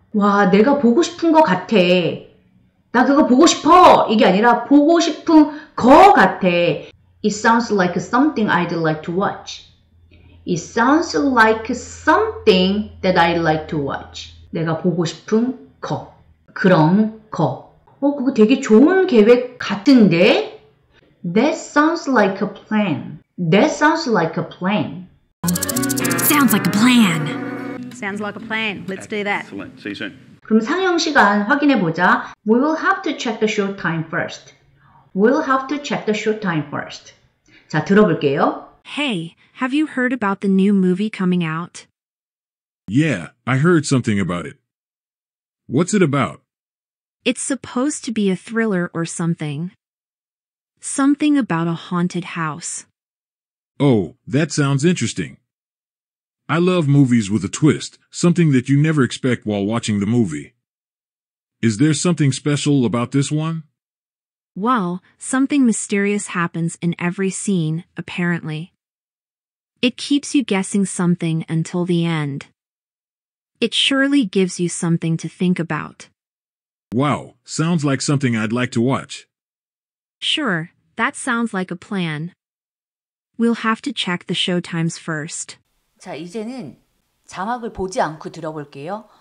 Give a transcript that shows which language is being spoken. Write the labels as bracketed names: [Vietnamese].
[Korean] 와, 내가 보고 싶은 거 같아. 나 그거 보고 싶어. 이게 아니라 보고 싶은 거 같아. [English] It sounds like something I'd like to watch. It sounds like something that I'd like to watch. [Korean] 내가 보고 싶은 거. 그런 거. 그거 되게 좋은 계획 같은데? [English] That sounds like a plan. That sounds like a plan. Sounds like a plan. Sounds like a plan. Let's do that. Excellent. See you soon. [Korean] 그럼 상영 시간 확인해 보자. [English] We will have to check the show time first. We'll have to check the show time first. [Korean] 자, 들어볼게요. [English] Hey, have you heard about the new movie coming out? Yeah, I heard something about it. What's it about? It's supposed to be a thriller or something. Something about a haunted house. Oh, that sounds interesting. I love movies with a twist, something that you never expect while watching the movie. Is there something special about this one? Well, something mysterious happens in every scene, apparently. It keeps you guessing something until the end. It surely gives you something to think about. Wow, sounds like something I'd like to watch. Sure, that sounds like a plan. We'll have to check the show times first. [Korean] 자, 이제는 자막을 보지 않고 들어볼게요.